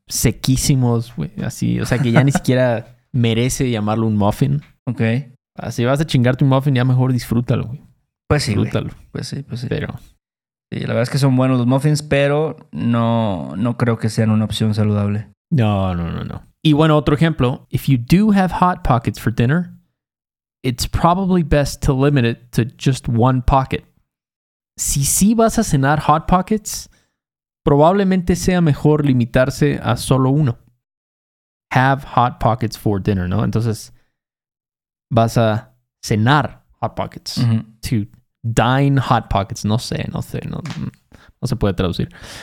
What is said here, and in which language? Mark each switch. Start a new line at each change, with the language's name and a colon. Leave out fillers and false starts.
Spanish: Sequísimos, güey. Así. O sea, que ya ni siquiera merece llamarlo un muffin. Ok. Si vas a chingarte un muffin, ya mejor disfrútalo, güey. Pues sí, disfrútalo. Wey. Pues sí, pues sí. Pero... sí, la verdad es que son buenos los muffins, pero no, no creo que sean una opción saludable. No, no, no, no. Y bueno, otro ejemplo.
English: If you do have Hot Pockets for dinner, it's probably best to limit it to just one pocket.
Spanish: Si sí vas a cenar Hot Pockets, probablemente sea mejor limitarse a solo uno.
English: Have Hot Pockets for dinner,
Spanish: ¿no? Entonces, vas a cenar Hot Pockets. Mm-hmm.
English: To dine Hot Pockets.
Spanish: No sé, no sé. No, no se puede traducir.